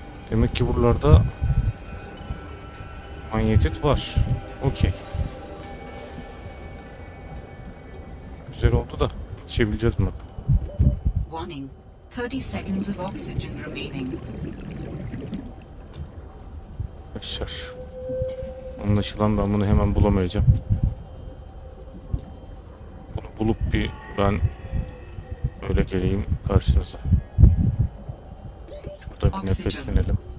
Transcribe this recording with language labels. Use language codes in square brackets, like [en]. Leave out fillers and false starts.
[tr] Demek ki buralarda manyetit var. Okey. Güzel oldu da geçebileceğiz mi? [en] Warning. 30 seconds of oxygen remaining. [tr] Aşar. Anlaşılan ben bunu hemen bulamayacağım. Bunu bulup bir ben öyle geleyim karşınıza. Burada bir nefeslenelim.